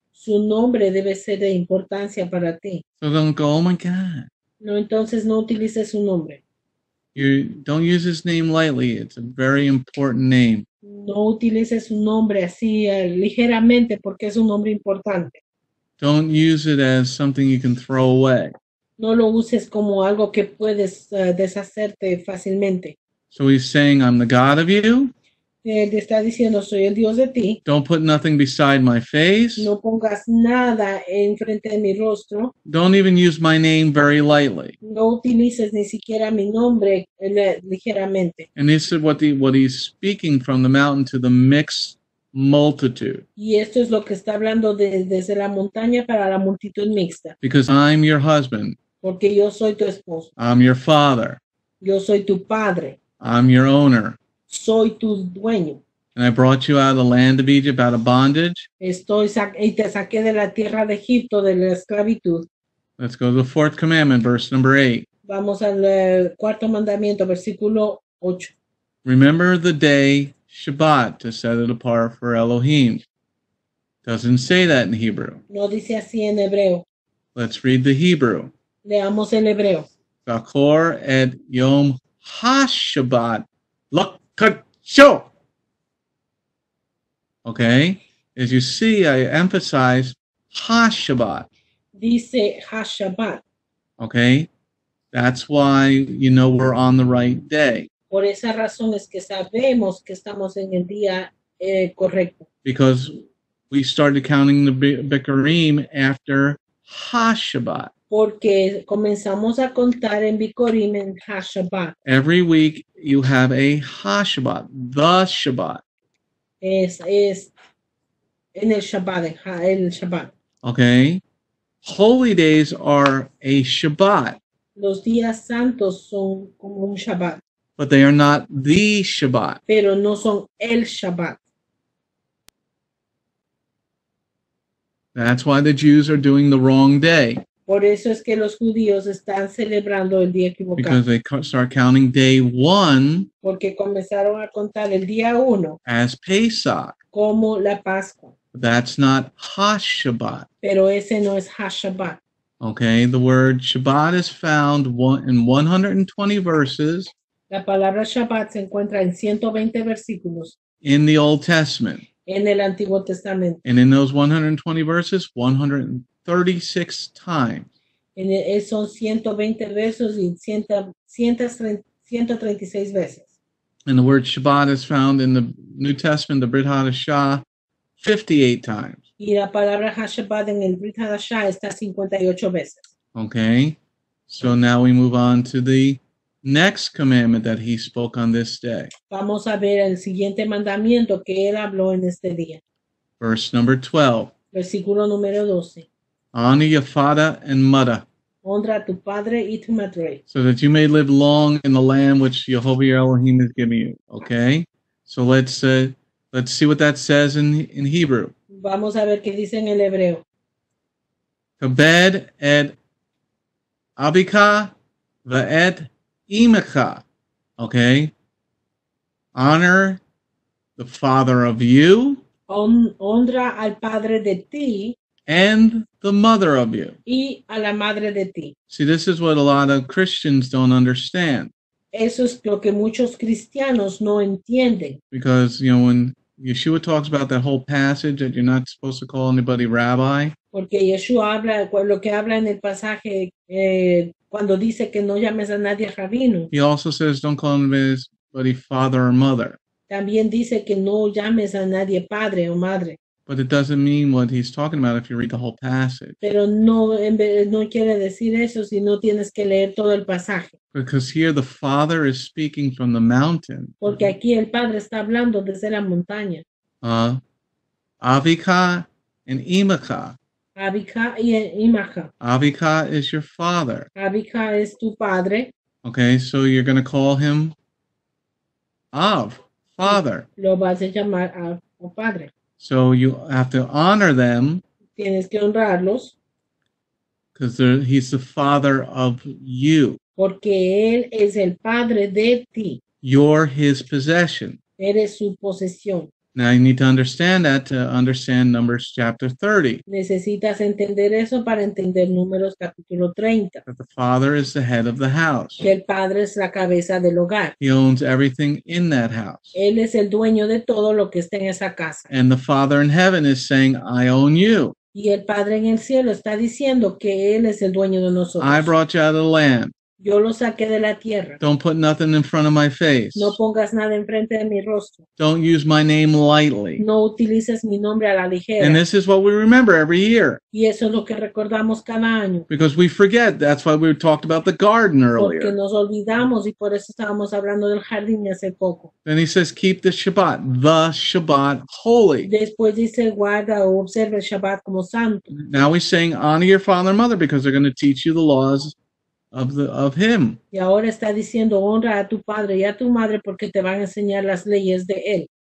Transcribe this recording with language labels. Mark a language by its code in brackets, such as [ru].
[es] Su nombre debe ser de importancia para ti. [en] So don't go, oh my God. [es] No, entonces no utilice su nombre. [en] You don't use his name lightly. It's a very important name. [es] No utilices su nombre así ligeramente porque es un nombre importante. [en] Don't use it as something you can throw away. [es] No lo uses como algo que puedes deshacerte fácilmente. [en] So he's saying, I'm the God of you. [es] Él está diciendo, soy el Dios de ti. [en] Don't put nothing beside my face. [es] No pongas nada enfrente de mi rostro. [en] Don't even use my name very lightly. [es] No utilices ni siquiera mi nombre ligeramente. [en] And this is what he's speaking from the mountain to the mixed multitude. [es] Y esto es lo que está hablando desde la montaña para la multitud mixta. [en] Because I'm your husband. [es] Porque yo soy tu esposo. [en] I'm your father. [es] Yo soy tu padre. [en] I'm your owner. [es] Soy tu dueño. [en] And I brought you out of the land of Egypt, out of bondage. [es] Y te saqué de la tierra de Egipto, de la esclavitud. [en] Let's go to the fourth commandment, verse number 8. [es] Vamos al cuarto mandamiento, versículo 8. [en] Remember the day Shabbat to set it apart for Elohim. Doesn't say that in Hebrew. [es] No dice así en hebreo. [en] Let's read the Hebrew. [es] Leamos el hebreo. [he] Zakor et Yom HaShabbat. [en] Look. Show. Okay, as you see, I emphasize HaShabbat. [es] Dice HaShabbat. [en] Okay, that's why you know we're on the right day. [es] Por esa razón es que sabemos que estamos en el día correcto. [en] Because we started counting the Bikurim after Hashabbat. [es] Porque comenzamos a contar en Bikurim en Hashabbat. [en] Every week you have a Hashabbat, the Shabbat. [es] Es en el Shabbat, en el Shabbat. [en] Okay. Holy days are a Shabbat. [es] Los días santos son como un Shabbat. [en] But they are not the Shabbat. [es] Pero no son el Shabbat. [en] That's why the Jews are doing the wrong day. [es] Por eso es que los judíos están celebrando el día equivocado. [en] Because they start counting day one. [es] Porque comenzaron a contar el día uno. [en] As Pesach. [es] Como la Pascua. [en] That's not Hashabbat. [es] Pero ese no es Hashabbat. [en] Okay, the word Shabbat is found in 120 verses. [es] La palabra Shabbat se encuentra en 120 versículos. [en] In the Old Testament. [es] En el Antiguo Testamento. [en] And in those 120 verses, 136 times. [es] En esos 120 versos y 136 veces. [en] And the word Shabbat is found in the New Testament, the Brit Hadashah, 58 times. [es] Y la palabra Hashabbat en el Brit Hadashah está 58 veces. [en] Okay, so now we move on to the next commandment that he spoke on this day. [es] Vamos a ver el siguiente mandamiento que él habló en este día. [en] Verse number 12. [es] Versículo número 12. [en] Honor your father and mother. [es] Honra a tu padre y tu madre. [en] So that you may live long in the land which Yehovah your Elohim has given you. Okay? So let's see what that says in Hebrew. [es] Vamos a ver qué dice en el hebreo. [he] Kabed et abika vaet Imecha, okay? [en] Honor the father of you. [es] Honra al padre de ti. [en] And the mother of you. [es] Y a la madre de ti. [en] See, this is what a lot of Christians don't understand. [es] Eso es lo que muchos cristianos no entienden. [en] Because, you know, when Yeshua talks about that whole passage that you're not supposed to call anybody rabbi. [es] Porque Yeshua habla, lo que habla en el pasaje, cuando dice que no llames a nadie rabino. [en] He also says, don't call anybody father or mother. [es] También dice que no llames a nadie padre o madre. [en] But it doesn't mean what he's talking about if you read the whole passage. [es] Pero no quiere decir eso si no tienes que leer todo el pasaje. [en] Because here the father is speaking from the mountain. [es] Porque aquí el padre está hablando desde la montaña. [en] Avika and Imacha. [es] Avika y Imacha. [en] Avika is your father. [es] Avika es tu padre. [en] Okay, so you're going to call him Av, father. [es] Lo vas a llamar Av, o padre. [en] So you have to honor them. [es] Tienes que honrarlos. [en] Because he's the father of you. [es] Porque él es el padre de ti. [en] You're his possession. [es] Eres su posesión. [en] Now you need to understand that to understand Numbers chapter 30. [es] Necesitas entender eso para entender Números capítulo 30. [en] That the father is the head of the house. [es] Que el padre es la cabeza del hogar. [en] He owns everything in that house. [es] Él es el dueño de todo lo que está en esa casa. [en] And the father in heaven is saying, I own you. [es] Y el padre en el cielo está diciendo que él es el dueño de nosotros. [en] I brought you out of the land. [es] Yo lo saqué de la tierra. [en] Don't put nothing in front of my face. [es] No pongas nada en frente de mi rostro. [en] Don't use my name lightly. [es] No utilices mi nombre a la ligera. [en] And this is what we remember every year. [es] Y eso es lo que recordamos cada año. [en] Because we forget. That's why we talked about the garden earlier. [es] Porque nos olvidamos y por eso estábamos hablando del jardín hace poco. [en] Then he says, keep the Shabbat holy. [es] Después dice, guarda o observa el Shabbat como santo. [en] Now he's saying, honor your father and mother because they're going to teach you the laws of him. [es] Y ahora está diciendo honra a tu padre y a tu madre porque te van a enseñar las leyes de él.